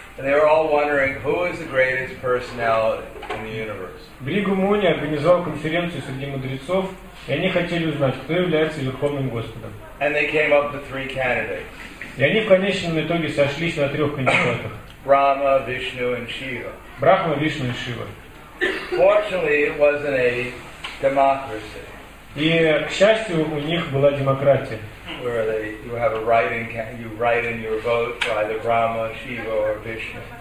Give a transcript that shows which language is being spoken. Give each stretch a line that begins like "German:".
English: And they were all wondering who is the greatest personality in the universe.
Russian: Бригу Муни организовал конференцию среди мудрецов, и они хотели узнать, кто является верховным господом.
English: And they came up with three candidates.
Russian: И они в конечном итоге сошлись на трех кандидатах.
English: Brahma, Vishnu, and Shiva.
Russian: Брахма, Вишну и Шива.
English: Fortunately, it wasn't a democracy.
Russian: И, к счастью, у них была демократия.
English: Where they, you have a write-in, you write in your vote for either Brahma, Shiva, or Vishnu.